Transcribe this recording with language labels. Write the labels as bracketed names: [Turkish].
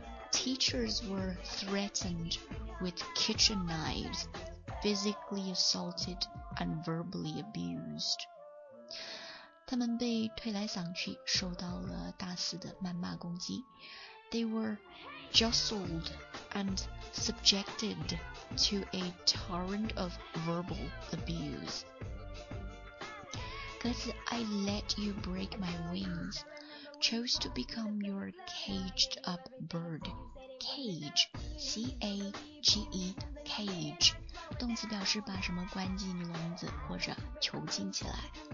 [English] Teachers were threatened with kitchen knives, physically assaulted and verbally abused. [Chinese] 他们被推来搡去，受到了大肆的谩骂攻击。 [English] They were jostled and subjected to a torrent of verbal abuse. [Chinese] 歌词 [English] I let you break my wings, chose to become your caged up bird. Cage, C-A-G-E, cage. [Chinese] 动词表示把什么关进笼子或者囚禁起来。